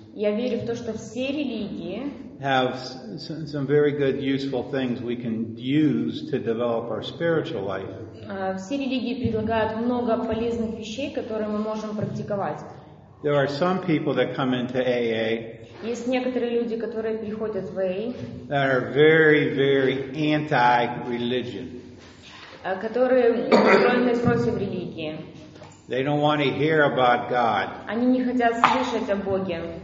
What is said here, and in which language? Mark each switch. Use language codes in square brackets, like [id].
[ru] я верю в то, что все религии [en] have some very good useful things we can use to develop our spiritual life. [ru] Все религии предлагают много полезных вещей, которые мы можем практиковать. [en] There are some people that come into AA. [ru] Есть некоторые люди, которые приходят в AA. [en] That are very, very anti-religion. [ru] Которые настроены против религии. [en] They don't want to hear about God. [ru] Они не хотят слышать о Боге.